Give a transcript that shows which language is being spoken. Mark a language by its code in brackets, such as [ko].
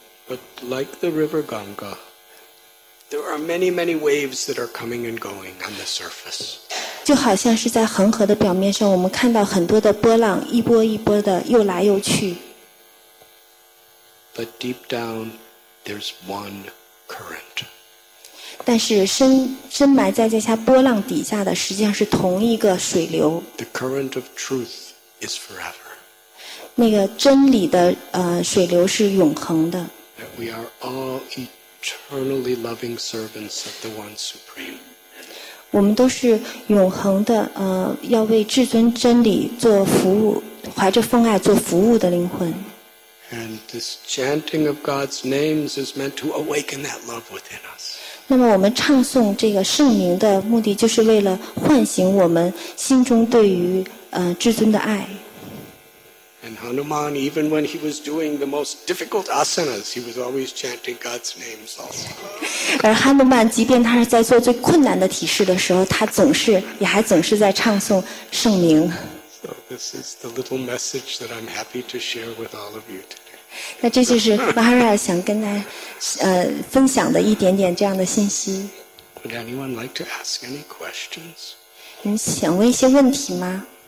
[en] But like the river Ganga, there are many, many waves that are coming and going on the surface. [zh] 就好像是在恒河的表面上，我们看到很多的波浪，一波一波的又来又去。 [en] But deep down, there's one current. [zh] 但是深埋在这些波浪底下的实际上是同一个水流。 [en] The current of truth is forever. [zh] 那个真理的水流是永恒的。 [en] That we are all eternally loving servants of the One Supreme. [zh] 我们都是永恒的要为至尊真理做服务，怀着奉爱做服务的灵魂。 [en] And this chanting of God's names is meant to awaken that love within us. [zh] 那么我们唱诵这个圣名的目的就是为了唤醒我们心中对于至尊的爱。 [en] And Hanuman, even when he was doing the most difficult asanas, he was always chanting God's names also. [zh] 而汉努曼即便他是在做最困难的体式的时候，他总是在唱诵圣名。 [en] So this is the little message that I'm happy to share with all of you today. [zh] 那这就是 Mahara 想跟大家分享的一点点这样的信息。 [en] Would anyone like to ask any questions? [zh] 你们想问一些问题吗？